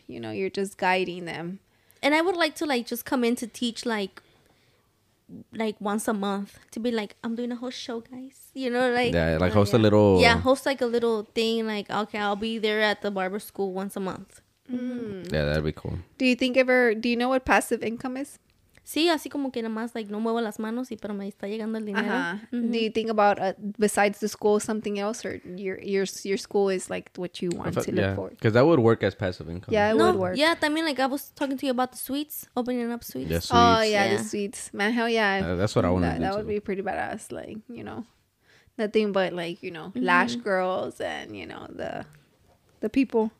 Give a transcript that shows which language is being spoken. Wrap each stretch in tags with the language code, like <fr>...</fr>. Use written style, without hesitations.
<en>Yeah. You know, you're just guiding them. And I would like to, like, just come in to teach, like once a month. To be like, I'm doing a whole show, guys. You know, like. Yeah, like, host a little. Yeah, host, like, a little thing. Like, okay, I'll be there at the barber school once a month. Mm. Yeah, that'd be cool. Do you know what passive income is?</en> <es>Sí, así como que nada más,</es> <en>like,</en> <es>no muevo las manos, y pero me está llegando el dinero.</es> <en>Uh-huh. Mm-hmm. Do you think about, besides the school, something else, or your school is, like, what you want to look for? Because that would work as passive income. Yeah, it would work. Yeah,</en> <es>también,</es> <en>like, I was talking to you about the suites, opening up suites. Yeah, suites. Oh, yeah, the suites. Man, hell yeah. That's what I want to do. That would be pretty badass, like, you know, nothing but, like, you know, lash girls and, you know, the people.</en>